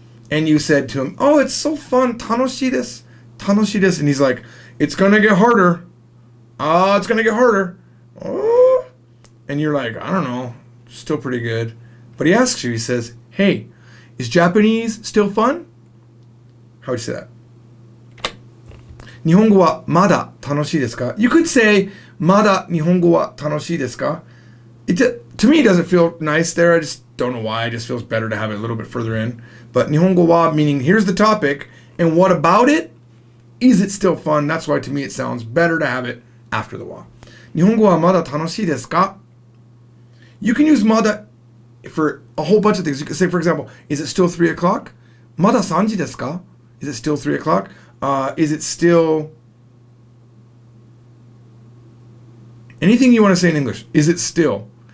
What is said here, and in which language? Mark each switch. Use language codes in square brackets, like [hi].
[en] and you said to him, oh, it's so fun, [ja] tanoshii desu, [en] and he's like, it's going to get harder. Ah, it's going to get harder. Oh. And you're like, I don't know, still pretty good. But he asks you, he says, hey, is Japanese still fun? How would you say that? [ja] 日本語はまだ楽しいですか? [en] You could say, [ja] まだ日本語は楽しいですか? [en] To me, it doesn't feel nice there. I just don't know why. It just feels better to have it a little bit further in. But [ja] 日本語は, [en] meaning here's the topic, and what about it? Is it still fun? That's why, to me, it sounds better to have it after the wa. [ja] 日本語はまだ楽しいですか? [en] You can use mada for a whole bunch of things. You could say, for example, is it still 3 o'clock? [ja] まだ3時ですか? [en] Is it still 3 o'clock? Is it still... Anything you want to say in English. Is it still?